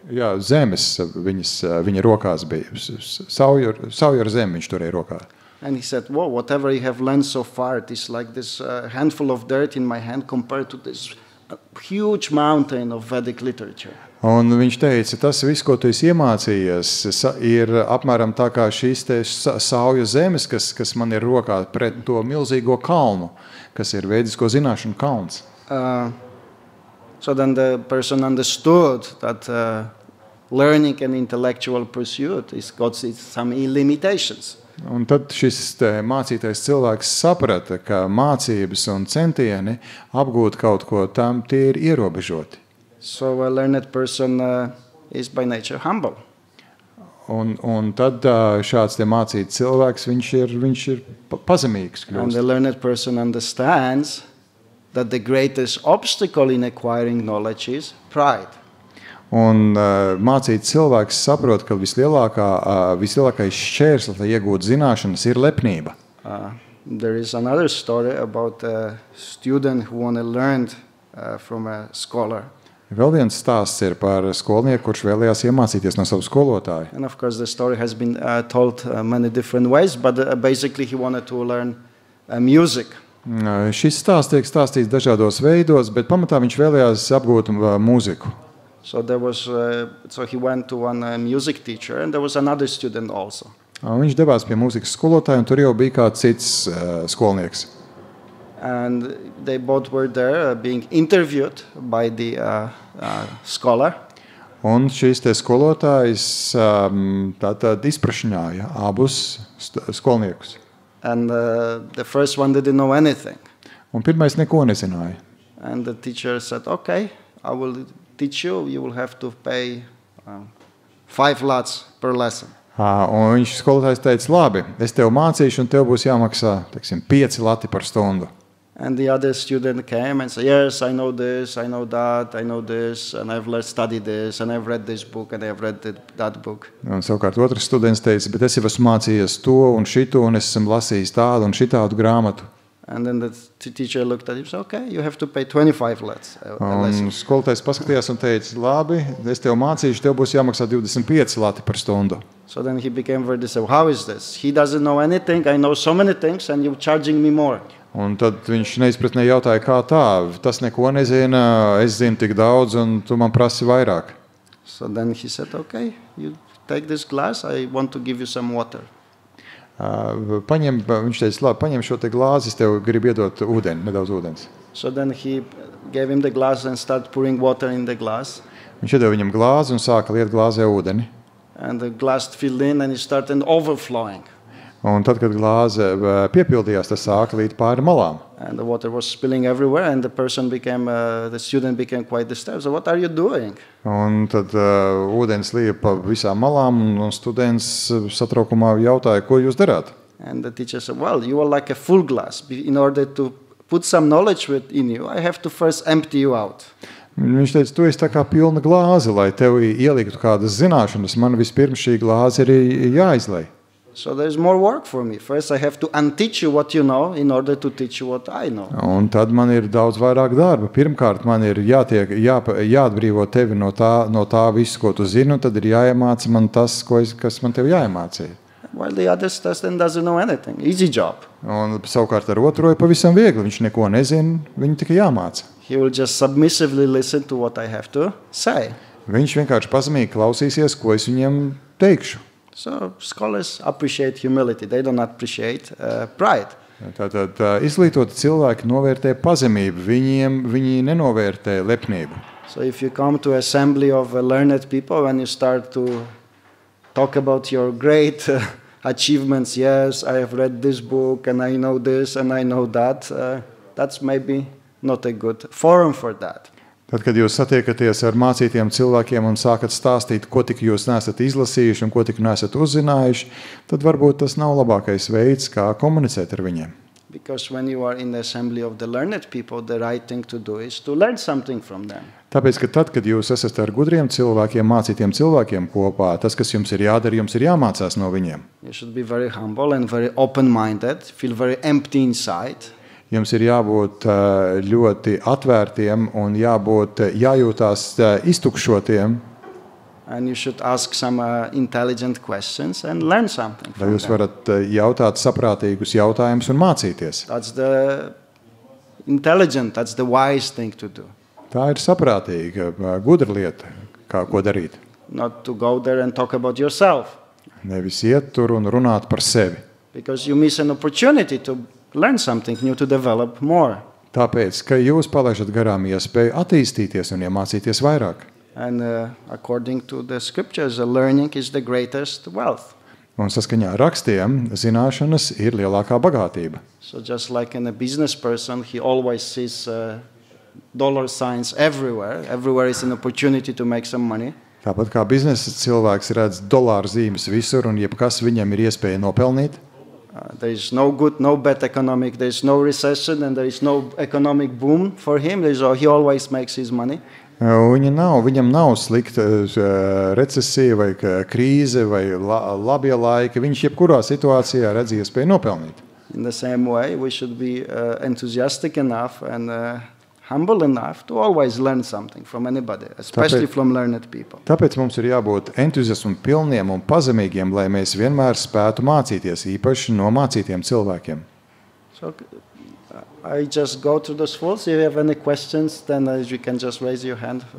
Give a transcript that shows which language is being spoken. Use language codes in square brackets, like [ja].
[lv] Jā, zemes viņa rokās bija. Sauj ar zemi viņš turēja rokā. [en] And he said, "Well, whatever you have learned so far, it is like this handful of dirt in my hand compared to this huge mountain of Vedic literature." [lv] Un viņš teica, tas viss, ko tu esi iemācījies, ir apmēram tā kā šīs te sauja zemes, kas man ir rokā pret to milzīgo kalnu, kas ir vēdisko zināšanu kalns. [en] So then the person understood that learning and intellectual pursuit is got some limitations. [lv] Un tad šis te mācītais cilvēks saprata, ka mācības un centieni apgūt kaut ko tam, tie ir ierobežoti. [en] So a learned person is by nature humble. [lv] Un tad šāds te mācīts cilvēks, viņš ir pazemīgs kļūst. [en] And a learned person understands that the greatest obstacle in acquiring knowledge is pride. [lv] Un mācīts cilvēks saprot, ka vislielākais šķērslis, lai iegūtu zināšanas, ir lepnība. [en] There is another story about a student who wanna learn from a scholar. [lv] Vēl viens stāsts ir par skolnieku, kurš vēlējās iemācīties no savu skolotāju. [en] And of course the story has been told many different ways, but basically he wanted to learn music. [lv] Šis stāsts tiek stāstīts dažādos veidos, bet pamatā viņš vēlējās apgūt mūziku. [en] So there was so he went to one music teacher and there was another student also. [lv] Viņš devās pie mūzikas skolotāja un tur jau bija kāds cits skolnieks. [en] And they both were there being interviewed by the scholar. [lv] Un šis te skolotājs tātad izprašanāja abus skolniekus. [en] And the first one didn't know anything. [lv] Un pirmais neko nezināja. [en] And the teacher said, "Okay, I will teach you. You will have to pay 5 lats per lesson." [lv] Un viņš skolotājs teica, "Labi, es tev mācīšu un tev būs jāmaksā, teiksim, 5 lati par stundu." [en] And the other student came and said, "Yes, I know this, I know that, I know this, and I've studied this, and I've read this book, and I've read that book." [lv] Un savukārt otrs students teica, "Bet es jau esmu mācījies to un šito, un es esmu lasījis tādu un šitādu grāmatu." [en] And then the teacher looked at him and said, "Okay, you have to pay 25 lats." [lv] Un skolotājs paskatījās un teica, "Labi, es tev mācīšu, tev būs jāmaksā 25 lati par stundu." [en] So then he became very disturbed. "How is this? He doesn't know anything, I know so many things, and you're charging me more." [lv] Un tad viņš neizpratnē jautāja, kā tā, tas neko nezina, es zinu tik daudz, un tu man prasi vairāk. [en] So then he said, "Okay, you take this glass, I want to give you some water." [lv] Viņš teica, "Labi, paņem šo te glāzi, es tev gribu iedot ūdeni, nedaudz ūdens." [en] So then he gave him the glass and started pouring water in the glass. [lv] Viņš iedeva viņam glāzi un sāka liet glāzē ūdeni. [en] And the glass filled in and it started overflowing. [lv] Un tad, kad glāze piepildījās, tas sāka līt pāri malām. [en] And the water was spilling everywhere and the person became, the student became quite disturbed. So what are you doing? [lv] Un tad ūdens lija pa visām malām un students satraukumā jautāja, ko jūs darāt? [en] And the teacher said, "Well, you are like a full glass. In order to put some knowledge in you, I have to first empty you out." [lv] Viņš teica, "Tu esi tā kā pilna glāze, lai tev ieliktu kādas zināšanas. Man vispirms šī glāze ir jāizlej." [en] So there is more work for me. First I have to unteach you what you know in order to teach you what I know. [lv] Un tad man ir daudz vairāk darba. Pirmkārt man ir jāatbrīvo tevi no tā visu, ko tu zini, un tad ir jāiemāca man tas, kas man tev jāiemācīja. [en] While the other student doesn't know anything. Easy job. [lv] Un savukārt ar otro ir pavisam viegli, viņš neko nezin, viņu tikai jāmāca. [en] He will just submissively listen to what I have to say. [lv] Viņš vienkārši pazemīgi klausīsies, ko es viņam teikšu. [en] So scholars appreciate humility. They do not appreciate pride. [lv] Tātad izglītoti cilvēki novērtē pazemību. Viņi nenovērtē lepnību. [en] So if you come to assembly of learned people when you start to talk about your great achievements, yes, I have read this book and I know this and I know that, that's maybe not a good forum for that. [lv] Tad, kad jūs satiekaties ar mācītiem cilvēkiem un sākat stāstīt, ko tik jūs neesat izlasījuši un ko tik neesat uzzinājuši, tad varbūt tas nav labākais veids, kā komunicēt ar viņiem. [en] Because when you are in the assembly of the learned people, the right thing to do is to learn something from them. [lv] Tāpēc, ka tad, kad jūs esat ar gudriem cilvēkiem, mācītiem cilvēkiem kopā, tas, kas jums ir jādara, jums ir jāmācās no viņiem. [en] You should be very humble and very open-minded, feel very empty inside. [lv] Jums ir jābūt ļoti atvērtiem un jābūt jājūtās iztukšotiem. [en] And you should ask some intelligent questions and learn something from them. [lv] Jūs varat jautāt saprātīgus jautājumus un mācīties. [en] That's the intelligent, that's the wise thing to do. [lv] Tā ir saprātīga, gudra lieta, kā ko darīt. [en] Not to go there and talk about yourself. [lv] Nevis iet tur un runāt par sevi. [en] Because you miss an opportunity to learn something new, to develop more. [lv] Tāpēc, ka jūs palaižat garām iespēju attīstīties un iemācīties vairāk. [en] And according to the scriptures, learning is the greatest wealth. [lv] Un saskaņā ar rakstiem, zināšanas ir lielākā bagātība. [en] So just like in a business person, he always sees dollar signs everywhere. Everywhere is an opportunity to make some money. [lv] Tāpat kā biznesa cilvēks redz dolāru zīmes visur un jebkas viņam ir iespēja nopelnīt. [en] There is no good, no bad economic, there is no recession and there is no economic boom for him. He always makes his money. [lv] Viņam nav slikta recesija vai krīze vai labie laiki. Viņš jebkurā situācijā redz iespēju nopelnīt. [en] In the same way, we should be enthusiastic enough and humble enough to always learn something from anybody, especially [lv] tāpēc, [en] from learned people. [lv] Tāpēc mums ir jābūt entuziasmu pilniem un pazemīgiem, lai mēs vienmēr spētu mācīties īpaši no mācītiem cilvēkiem. [en] So, I just go through those fools. If you have any questions, then you can just raise your hand.